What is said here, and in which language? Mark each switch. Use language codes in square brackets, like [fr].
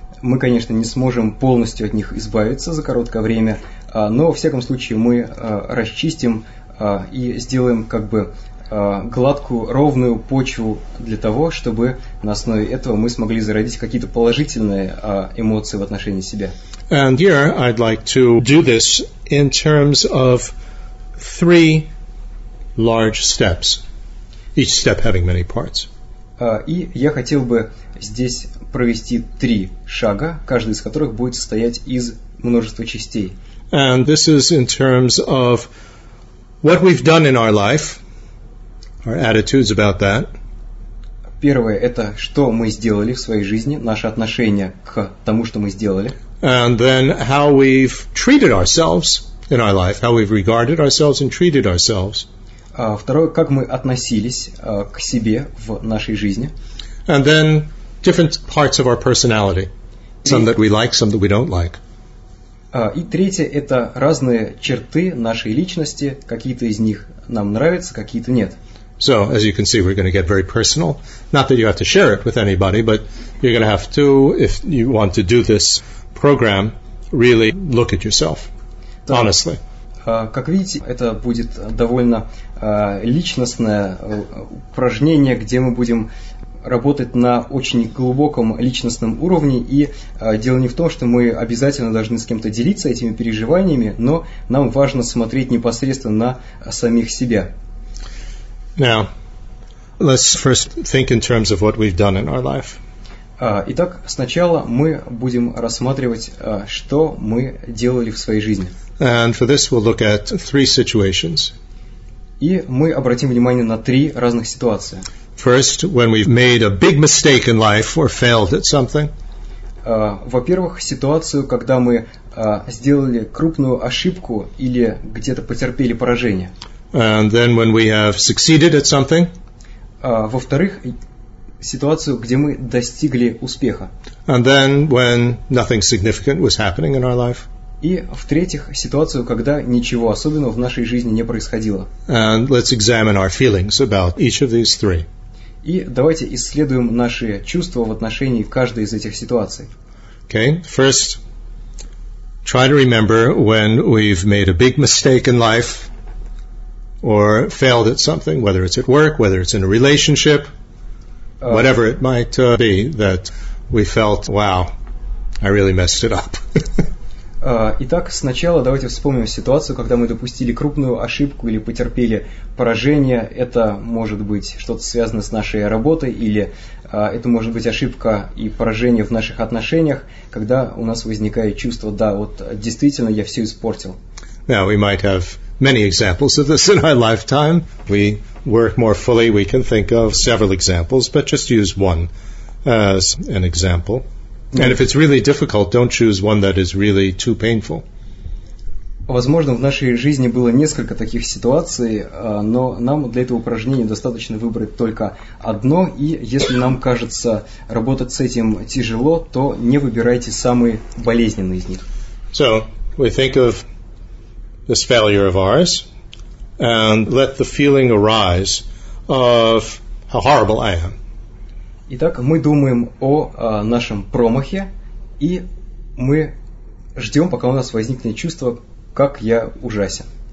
[ru] Мы, конечно, не сможем полностью от них избавиться за короткое время, но во всяком случае мы расчистим и сделаем как бы гладкую, ровную почву для того, чтобы на основе этого мы смогли зародить какие-то положительные эмоции в отношении себя. [en] And here I'd like to do this in terms of three large steps, each step having many parts. [ru] И я хотел бы здесь провести три шага, каждый из которых будет состоять из множества частей. [en] And this is in terms of what we've done in our life, our attitudes about that. [ru] Первое – это что мы сделали в своей жизни, наше отношение к тому, что мы сделали. [en] And then how we've treated ourselves in our life, how we've regarded ourselves and treated ourselves. [ru] Второе, как мы относились к себе в нашей жизни. [en] And then different parts of our personality, some that we like, some that we don't like. [ru] И третье, это разные черты нашей личности, какие-то из них нам нравятся, какие-то нет. [en] So, as you can see, we're going to get very personal. Not that you have to share it with anybody, but you're going to have to, if you want to do this program, really look at yourself, [ru] так, [en] honestly. [ru] Как видите, это будет довольно личностное упражнение, где мы будем работать на очень глубоком личностном уровне, и дело не в том, что мы обязательно должны с кем-то делиться этими переживаниями, но нам важно смотреть непосредственно на самих себя. [en] Now, let's first think in terms of what we've done in our life. [ru] Итак, сначала мы будем рассматривать, что мы делали в своей жизни. [en] And for this we'll look at three situations. [ru] И мы обратим внимание на три разных ситуации. [en] First, when we've made a big mistake in life or failed at something. [ru] Во-первых, ситуацию, когда мы сделали крупную ошибку или где-то потерпели поражение. [en] And then when we have succeeded at something. [ru] Во-вторых, ситуацию, где мы достигли успеха. [en] And then when nothing significant was happening in our life. [ru] И в-третьих, ситуацию, когда ничего особенного в нашей жизни не происходило. [en] And let's examine our feelings about each of these three. [ru] И давайте исследуем наши чувства в отношении каждой из этих ситуаций. [en] Okay, first, try to remember when we've made a big mistake in life or failed at something, whether it's at work, whether it's in a relationship, whatever it might be, that we felt, wow, I really messed it up. [ru] Итак, сначала давайте вспомним ситуацию, когда мы допустили крупную ошибку или потерпели поражение. Это может быть что-то связано с нашей работой, или это может быть ошибка и поражение в наших отношениях, когда у нас возникает чувство, да, вот действительно я все испортил. [en] Now, we might have many examples of this in our lifetime. We work more fully, we can think of several examples, but just use one as an example. And if it's really difficult, don't choose one that is really too painful. [ru] Возможно, в нашей жизни было несколько таких ситуаций, но нам для этого упражнения достаточно выбрать только одно, и если нам кажется работать с этим тяжело, то не выбирайте самые болезненные из них. [en] So, we think of this failure of ours and let the feeling arise of how horrible I am. [ru] Итак, мы думаем о нашем промахе, и мы ждем, пока у нас возникнет чувство, как я ужасен.